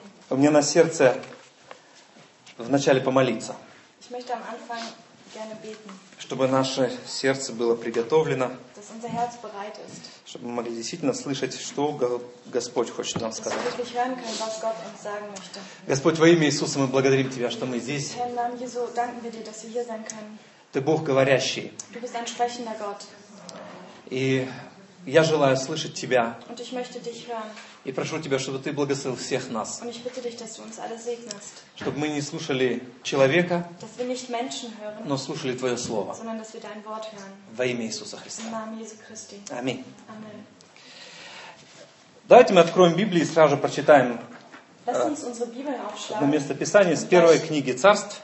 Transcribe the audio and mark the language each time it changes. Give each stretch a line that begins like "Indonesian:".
Russian: У меня на сердце вначале помолиться.
German: Ich möchte am Anfang gerne beten.
Russian: Чтобы наше сердце было приготовлено.
German: Dass unser Herz bereit ist.
Russian: Чтобы мы могли действительно слышать, что Господь хочет нам сказать.
German: Dass wir wirklich hören können, was Gott uns sagen möchte.
Russian: Господь, во имя Иисуса мы благодарим Тебя, что мы здесь.
German: Herr, im Namen Jesu danken wir dir, dass wir hier sein können.
Russian: Ты Бог говорящий.
German: Du bist ein sprechender Gott.
Russian: И я желаю слышать Тебя.
German: Und ich möchte dich hören.
Russian: И прошу Тебя, чтобы Ты благословил всех нас.
German: Und ich bitte dich, dass du uns alle segnest.
Russian: Чтобы мы не слушали человека,
German: dass wir nicht Menschen hören,
Russian: но слушали Твое Слово.
German: Sondern dass wir dein Wort hören.
Russian: Во имя Иисуса Христа.
German: Im Namen Jesu Christi.
Russian: Аминь.
German: Amen.
Russian: Давайте мы откроем Библию и сразу же прочитаем одно местописание с первой книги Царств.